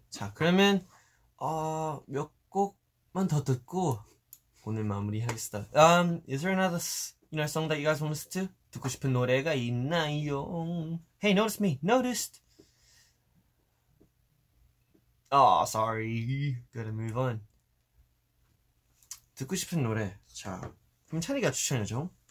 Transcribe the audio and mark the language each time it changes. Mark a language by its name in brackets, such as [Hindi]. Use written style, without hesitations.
[Korean] 자, 그러면 몇 곡만 더 듣고 오늘 마무리하겠습니다. [English] Is there another song that you guys want to listen to? [Korean] 듣고 싶은 노래가 있나요? [English] Hey, notice me. Noticed. Oh, sorry. Gotta move on. [Korean] 듣고 싶은 노래. 자, 그럼 찬이가 추천해줘.